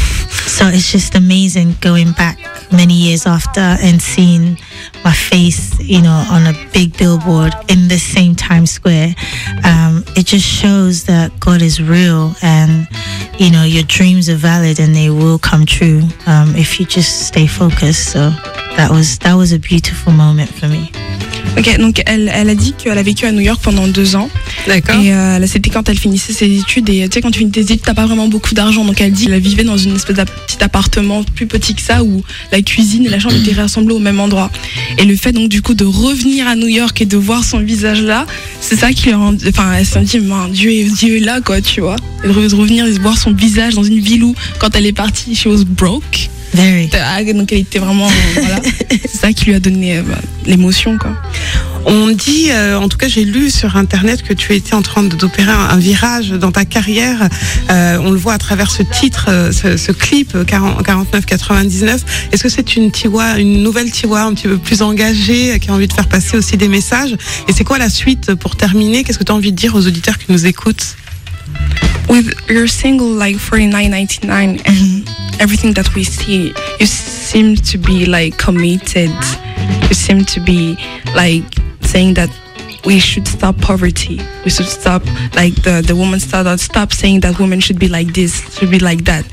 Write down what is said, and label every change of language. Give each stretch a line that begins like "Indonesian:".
English: So it's just amazing going back many years after and seeing my face, you know, on a big billboard in the same Times Square. It just shows that God is real, and, you know, your dreams are valid and they will come true if you just stay focused. So that was a beautiful moment for me.
French: Ok, donc elle a dit qu'elle a vécu à New York pendant 2 ans. D'accord. Et là, c'était quand elle finissait ses études. Et tu sais, quand tu finis tes études, t'as pas vraiment beaucoup d'argent. Donc elle dit qu'elle vivait dans une espèce de petit appartement plus petit que ça, où la cuisine et la chambre étaient rassemblées au même endroit. Et le fait, donc, du coup, de revenir à New York et de voir son visage là, c'est ça qui lui rend. Enfin, elle s'est dit, mais Dieu est là, quoi, tu vois. Et de revenir et de voir son visage dans une ville où, quand elle est partie,
English: she was broke. Very.
French: Donc elle était vraiment, voilà, c'est ça qui lui a donné l'émotion, quoi. On dit, en tout cas j'ai lu sur internet, que tu étais en train d'opérer un virage dans ta carrière. On le voit à travers ce titre, ce clip 49-99. Est-ce que c'est une nouvelle Tiwa un petit peu plus engagée, qui a envie de faire passer aussi des messages? Et c'est quoi la suite pour terminer? Qu'est-ce que tu as envie de dire aux auditeurs qui nous écoutent?
English: With your single like 49-99 and everything that we see, you seem to be like committed. You seem to be like saying that we should stop poverty. We should stop like the woman started. Stop saying that women should be like this, should be like that.